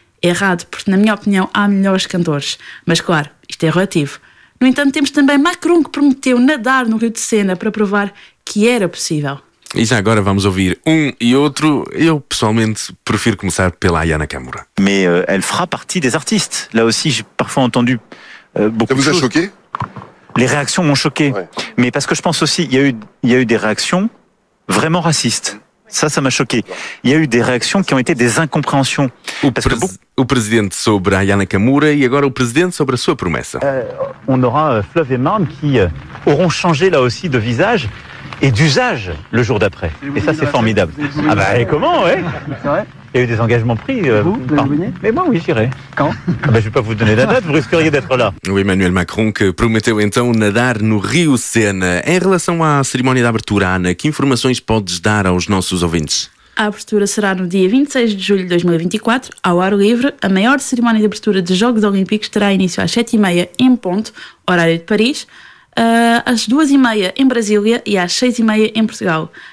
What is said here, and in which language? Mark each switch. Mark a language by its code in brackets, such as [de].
[pt] Errado, porque na minha opinião há melhores cantores. Mas claro, isto é relativo. No entanto, temos também Macron, que prometeu nadar no Rio de Sena para provar que era possível. E já agora vamos ouvir um e outro. Eu, pessoalmente, prefiro começar pela Ayana Kamura. Mas ela fará parte dos artistas. [fr] Lá aussi, j'ai parfois entendu beaucoup. Ça vous a choqué? Les réactions m'ont choqué. Ouais. Mais parce que je pense aussi, il y a eu des réactions vraiment racistes. Ça m'a choqué. Il y a eu des réactions qui ont été des incompréhensions. [pt] O presidente sobre Ayana Kamura e agora o presidente sobre a sua promessa. [fr] On aura Fleuve et Marne qui auront changé là aussi de visage et d'usage le jour d'après. Et ça, c'est formidable. Ah bah, et comment, ouais? Il y a eu des engagements pris. Vous mais moi, oui, j'irai. Quand? Ben, je ne vais pas vous donner la date, vous risqueriez d'être là. [pt] O Emmanuel Macron que prometeu então nadar no Rio Sena. Em relação à cerimónia de abertura, Ana, que informações podes dar aos nossos ouvintes? A abertura será no dia 26 de julho de 2024, ao ar livre. A maior cerimónia de abertura de Jogos Olímpicos terá início às 7h30 em ponto, horário de Paris, às 2h30 em Brasília e às 6h30 em Portugal.